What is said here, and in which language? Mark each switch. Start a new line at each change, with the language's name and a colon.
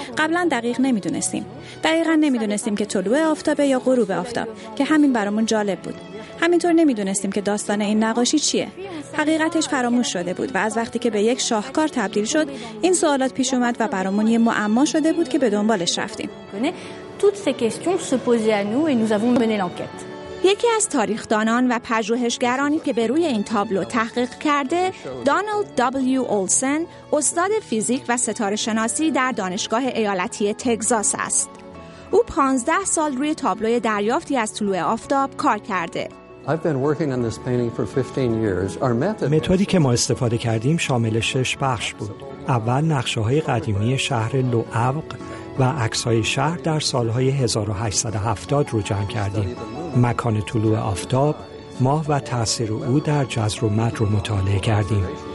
Persian: قبلا دقیق نمی‌دونستیم. دقیقاً نمی‌دونستیم که طلوع آفتاب یا غروب آفتاب، که همین برامون جالب بود. همینطور نمی‌دونستیم که داستان این نقاشی چیه. حقیقتش فراموش شده بود و از وقتی که به یک شاهکار تبدیل شد، این سوالات پیش اومد و برامون یه معما شده بود که به دنبالش رفتیم.
French: Toutes ces questions se posaient à nous et nous avons mené l'enquête.
Persian: یکی از تاریخ‌دانان و پژوهشگرانی که بر روی این تابلو تحقیق کرده، دونالد دبلیو اولسن، استاد فیزیک و ستاره‌شناسی در دانشگاه ایالتی تگزاس است. او 15 سال روی تابلوی دریافتی از طلوع آفتاب کار کرده.
English: I've been working on this painting for 15 years. Our method.
Persian: متدی که ما استفاده کردیم شامل 6 بخش بود. اول نقشه‌های قدیمی شهر لوعبق و عکس‌های شهر در سال‌های 1870 رو جمع کردیم. مکان طلوع آفتاب، ماه و تأثیر او در جزر و مد رو مطالعه کردیم.